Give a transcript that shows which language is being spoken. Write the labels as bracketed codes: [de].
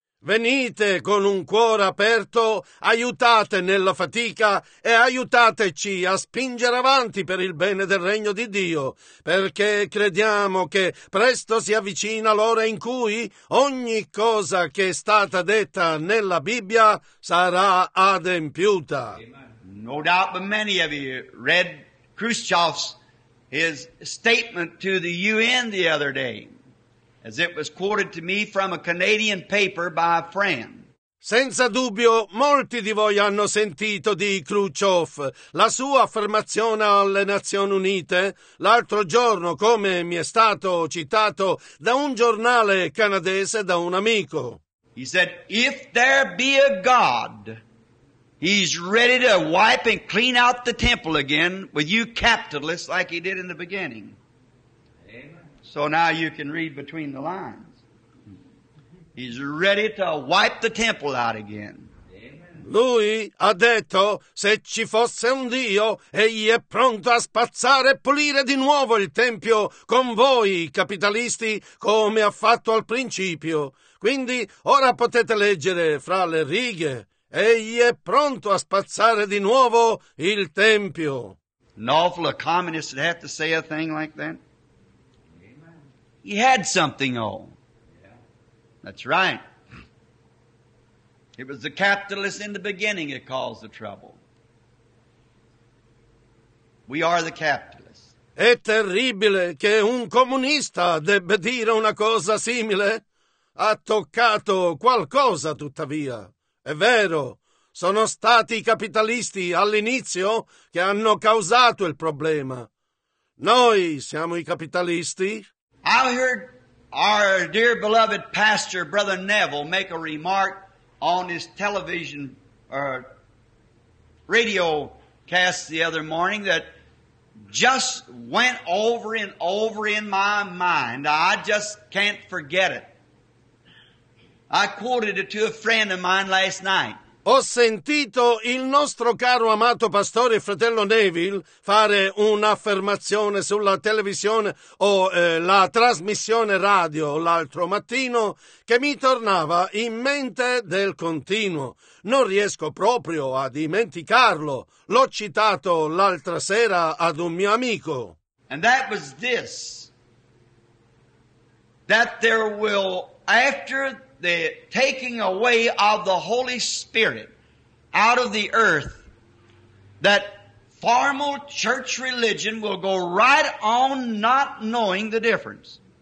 [it] Venite con un cuore aperto, aiutate nella fatica e aiutateci a spingere avanti per il bene del regno di Dio, perché crediamo che presto si avvicina l'ora in cui ogni cosa che è stata detta nella Bibbia sarà adempiuta. [en] No doubt, but many of you read Khrushchev's statement to the UN the other day. As it was quoted to me from a Canadian paper by a friend. [it] Senza dubbio, molti di voi hanno sentito di Khrushchev, la sua affermazione alle Nazioni Unite, l'altro giorno, come mi è stato citato da un giornale canadese da un amico. [en] He said, if there be a God, he's ready to wipe and clean out the temple again with you capitalists like he did in the beginning. So now you can read between the lines. He's ready to wipe the temple out again. [it] Lui ha detto, se ci fosse un Dio, egli è pronto a spazzare e pulire di nuovo il tempio con voi, capitalisti, come ha fatto al principio. Quindi ora potete leggere fra le righe, egli è pronto a spazzare di nuovo il tempio. [en] An awful lot of communists would have to say a thing like that. He had something on. That's right. It was the capitalists in the beginning that caused the trouble. We are the capitalists. [it] È terribile che un comunista debba dire una cosa simile. Ha toccato qualcosa, tuttavia. È vero, sono stati i capitalisti all'inizio che hanno causato il problema. Noi siamo i capitalisti. [en] I heard our dear beloved pastor, Brother Neville, make a remark on his television or radio cast the other morning that just went over and over in my mind. I just can't forget it. I quoted it to a friend of mine last night. [it] Ho sentito il nostro caro amato pastore fratello Neville fare un'affermazione sulla televisione o la trasmissione radio l'altro mattino che mi tornava in mente del continuo. Non riesco proprio a dimenticarlo. L'ho citato l'altra sera ad un mio amico. [en] And that was this. That there will, after the taking away of the Holy Spirit out of the earth, that formal church religion will go right on not knowing the difference.